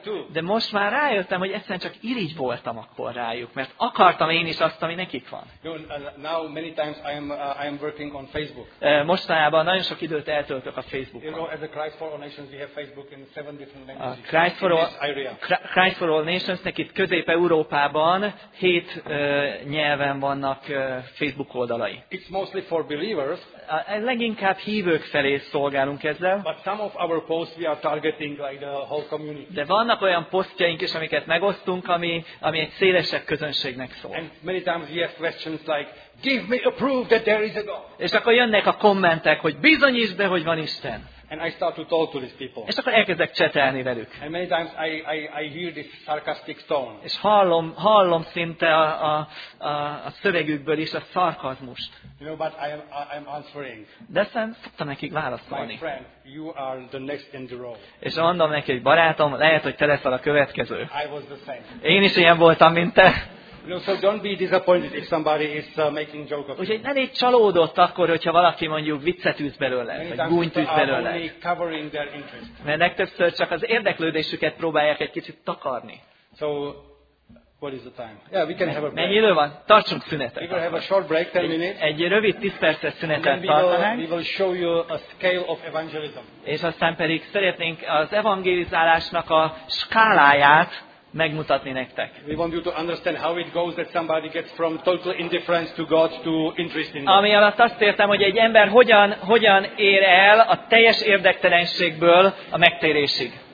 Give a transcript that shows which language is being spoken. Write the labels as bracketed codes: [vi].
[hu] De most már rájöttem, hogy egyszerűen csak irigy voltam akkor rájuk, mert akartam én is azt, ami nekik van. [en] Now many times I am working on Facebook. [hu] Mostanában nagyon sok időt eltöltök a Facebookon. [en] You know, as a Christ for All Nations, we have Facebook in 7 different languages. [hu] Christ for All Nationsnek itt Közép-Európában 7 nyelven vannak Facebook oldalai. [en] It's mostly for believers. [hu] Leginkább hívők felé szolgálunk ezzel. [en] But some of our posts we are targeting like the whole community. [hu] De vannak olyan posztjaink is, amiket megosztunk, ami egy szélesebb közönségnek szól. [en] And many times we have questions like, "Give me a proof that there is a God." [hu] És akkor jönnek a kommentek, hogy bizonyítsd be, hogy van Isten. [en] And I start to talk to these people. [hu] És akkor elkezdek csetelni velük. [en] And many times I hear this sarcastic tone. [hu] És hallom szinte a szövegükből is a szarkazmust. [en] You know, but I'm answering. [hu] De aztán szoktam nekik válaszolni. [en] My friend, you are the next in the row. [hu] És mondom neki, hogy barátom, lehet, hogy te leszel a következő. [en] I was the same. [hu] Én is ilyen voltam, mint te. [en] No, so don't be disappointed if somebody is making joke of you. [hu] Úgyhogy ne légy csalódott akkor, hogyha valaki mondjuk viccet üz belőle, vagy gúnyt üz belőle. Mert legtöbbször csak az érdeklődésüket próbálják egy kicsit takarni. [en] So, what is the time? Yeah, we can have a break. [hu] Mennyi idő van? Tartsunk szünetet. [en] We will have a short break, 10 minutes. [hu] Egy rövid 10 perces szünetet tartanánk. [en] We will show you a scale of evangelism. [hu] És aztán pedig szeretnénk az evangelizálásnak a skáláját megmutatni nektek. [en] We want you to understand how it goes that somebody gets from total indifference to God to interest in God. [hu] Ami alatt azt értem, hogy egy ember hogyan ér el a teljes érdektelenségből a megtérésig.